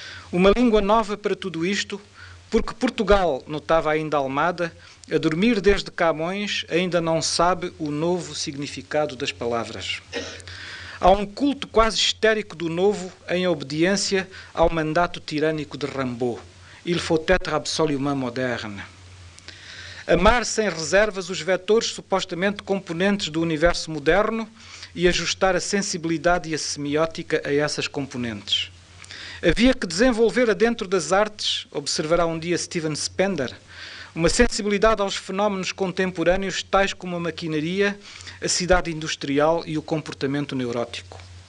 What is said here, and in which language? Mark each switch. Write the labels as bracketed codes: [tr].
[pt] Uma língua nova para tudo isto, porque Portugal, notava ainda Almada, a dormir desde Camões, ainda não sabe o novo significado das palavras. Há um culto quase histérico do novo em obediência ao mandato tirânico de Rimbaud. [fr] Il faut être absolument moderne. [pt] Amar sem reservas os vetores supostamente componentes do universo moderno e ajustar a sensibilidade e a semiótica a essas componentes. Havia que desenvolver adentro das artes, observará um dia Steven Spender, uma sensibilidade aos fenómenos contemporâneos tais como a maquinaria, a cidade industrial e o comportamento neurótico.